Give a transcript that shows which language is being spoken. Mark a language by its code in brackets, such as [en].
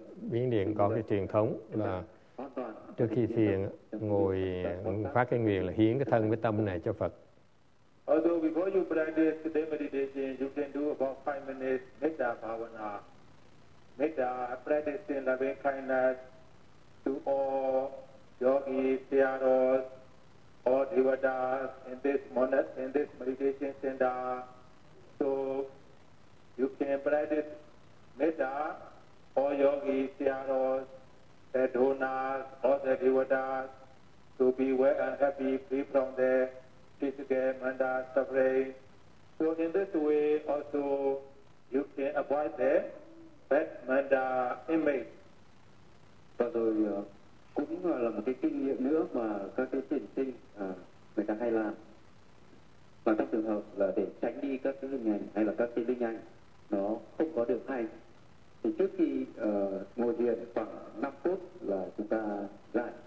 [vi] Miến Điện có cái truyền thống là trước khi thiền ngồi phát cái nguyện là hiến cái thân với tâm này cho Phật. [en] Although before you practice the meditation, you can do about 5 minutes, metta bhavana, metta practice in loving kindness to all yogis, siyaros, all devatas in this meditation center. So you can practice metta, all yogis, siyaros, the donas, all the devatas, to be well and happy, free from the physical mental suffering. So in this way also you can avoid the bad mental image. [vi] Và rồi cũng là một cái kinh nghiệm nữa mà các cái thiền sinh người ta hay làm, và trong trường hợp là để tránh đi các cái hình ảnh hay là các cái linh ảnh nó không có được hay, thì trước khi ngồi thiền khoảng 5 phút là chúng ta giải